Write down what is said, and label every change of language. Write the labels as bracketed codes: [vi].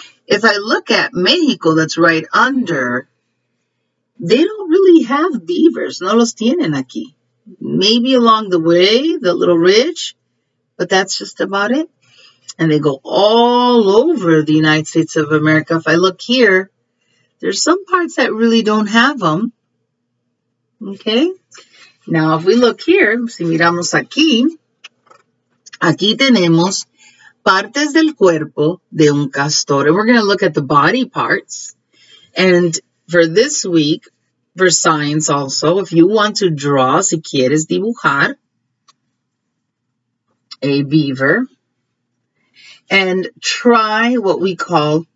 [en] If I look at Mexico, that's right under, they don't really have beavers. [es] No los tienen aquí. [en] Maybe along the way, the little ridge, but that's just about it. And they go all over the United States of America. If I look here, there's some parts that really don't have them. Okay. Now, if we look here, [es] si miramos aquí, aquí tenemos partes del cuerpo de un castor. [en] And we're going to look at the body parts. And for this week, for science also, if you want to draw, [es] si quieres dibujar, [en] a beaver, and try what we call